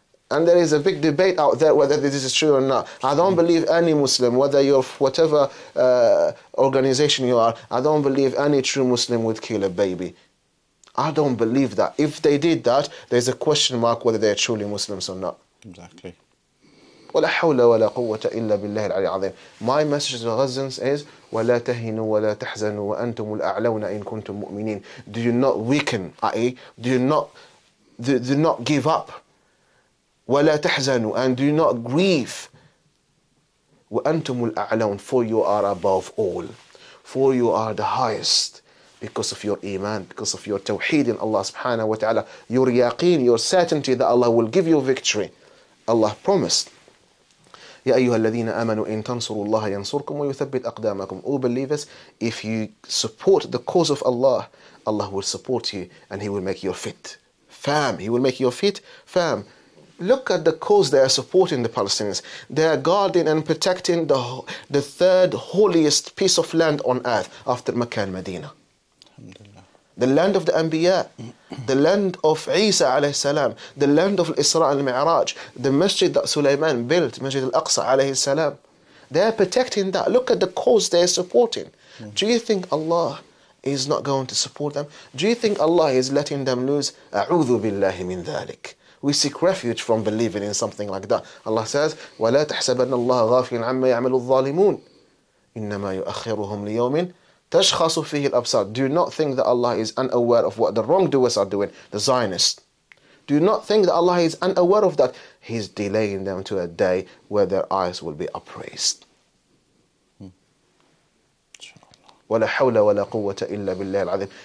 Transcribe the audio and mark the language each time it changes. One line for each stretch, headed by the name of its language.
English: And there is a big debate out there whether this is true or not. I don't believe any Muslim, whether you're whatever organization you are, I don't believe any true Muslim would kill a baby. I don't believe that. If they did that, there's a question mark whether they're truly Muslims or not. Exactly.
Arabic: ولا حول ولا قوة إلا بالله العلي العظيم.
English: My message to the Gazans is
Arabic: ولا تهنوا ولا تحزنوا وأنتم الأعلون إن كنتم مؤمنين.
English: Do you not weaken, i.e. Do you not give up.
Arabic: ولا تحزنوا,
English: and do you not grieve.
Arabic: وأنتم الأعلون,
English: for you are above all. For you are the highest. Because of your iman, because of your tawheed in Allah subhanahu wa ta'ala, your yaqeen, your certainty that Allah will give you victory. Allah promised.
Arabic: يا أيها الذين آمنوا إن تنصروا الله ينصركم ويثبت أقدامكم.
English: O believers, if you support the cause of Allah, Allah will support you and He will make your feet firm. He will make your feet firm. Look at the cause they are supporting, the Palestinians. They are guarding and protecting the third holiest piece of land on earth after Mecca and Medina. The land of the Anbiya, the land of Isa alayhi salam, the land of Isra al-Mi'raj, the masjid that Sulaiman built, Masjid al-Aqsa alayhi salam. They are protecting that. Look at the cause they are supporting. Do you think Allah is not going to support them? Do you think Allah is letting them lose?
Arabic: A'udhu billahi min dhalik.
English: We seek refuge from believing in something like that. Allah says,
Arabic: وَلَا تَحْسَبَنَّ اللَّهَ غَافِلٍ عَمَّا يَعْمَلُ الظَّالِمُونَ إِنَّمَا يُؤَخِّرُهُمْ لِيَوْمٍ. تَشْخَصُ فِيهِ الْأَبْصَارِ.
English: Do not think that Allah is unaware of what the wrongdoers are doing, the Zionists. Do not think that Allah is unaware of that. He's delaying them to a day where their eyes will be upraised.
Arabic: وَلَا حَوْلَ وَلَا قُوَّةَ إِلَّا بِاللَّهِ الْعَظِيمِ.